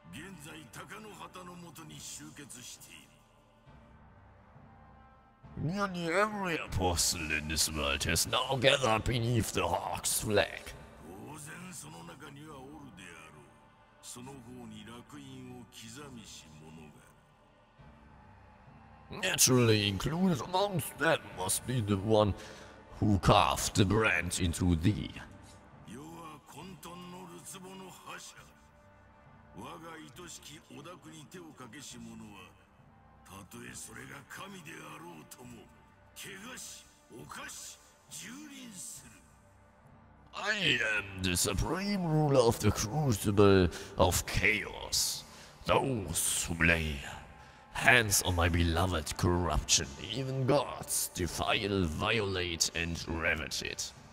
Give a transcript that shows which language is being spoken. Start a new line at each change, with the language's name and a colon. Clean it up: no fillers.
Japanese: 現在鷹の旗のもとに集結している。
English: Nearly every apostle in this world has now gathered beneath the Hawk's flag.
Japanese: 当然その中にはおるであろう。その方に烙印を刻みし者が。
English: Naturally included amongst them must be the one who carved the brand into thee.
Japanese: 要は混沌のるつぼの覇者。我が愛しき織田国に手をかけし者は、たとえそれが神であろうとも、けがし、おかし、蹂躙する。
English: I am the supreme ruler of the crucible of chaos. Those who lay hands on my beloved corruption, even gods, defile, violate, and ravage it.